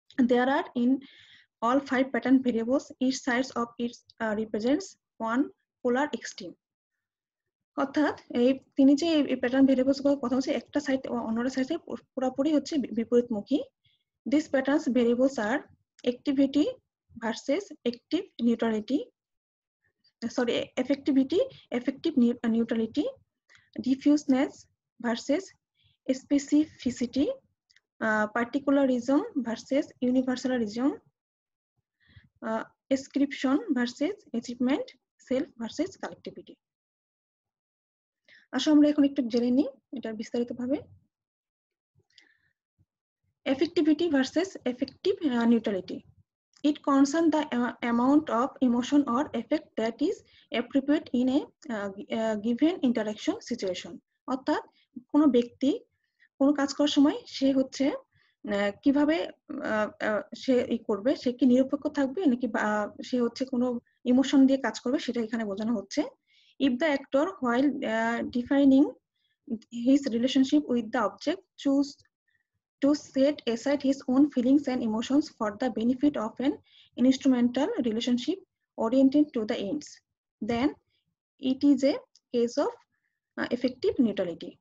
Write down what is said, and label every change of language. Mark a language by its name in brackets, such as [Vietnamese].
[English] There are in all five pattern variables each sides of its represents one polar extreme. [Bangla] অর্থাৎ এই তিনি যে pattern variables গুলোর কথা বলছে, একটা সাইড অন্যটা সাইডে পুরোপুরি হচ্ছে বিপরীতমুখী। [English] This pattern variables are activity versus active neutrality, sorry, effectivity, effective neutrality, diffuseness versus specificity, particularism versus universalism, ascription versus achievement, self versus collectivity. [Bangla] আসো আমরা এখন একটু জেনে নিই এটার বিস্তারিত ভাবে। [English] Effectivity versus effective neutrality. It concerns the amount of emotion or effect that is appropriate in a given interaction situation. [Bangla] অর্থাৎ কোন ব্যক্তি কোন কাজ করার সময় সে হচ্ছে কিভাবে সে ই করবে, সে কি নিরপেক্ষ থাকবে নাকি সে হচ্ছে কোন ইমোশন দিয়ে কাজ করবে, সেটা এখানে বোঝানো হচ্ছে। [English] If the actor, while defining his relationship with the object, chooses to set aside his own feelings and emotions for the benefit of an instrumental relationship oriented to the ends, then it is a case of effective neutrality.